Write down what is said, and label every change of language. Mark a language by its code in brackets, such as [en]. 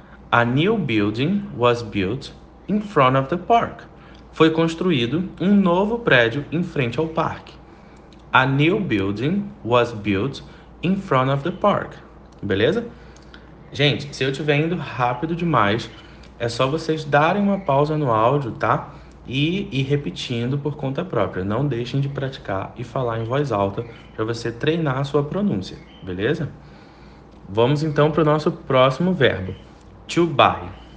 [en] A new building was built in front of the park. [pt] Foi construído um novo prédio em frente ao parque. [en] A new building was built in front of the park. [pt] Beleza? Gente, se eu estiver indo rápido demais, é só vocês darem uma pausa no áudio, tá? E ir repetindo por conta própria. Não deixem de praticar e falar em voz alta para você treinar a sua pronúncia, beleza? Vamos então para o nosso próximo verbo, to buy.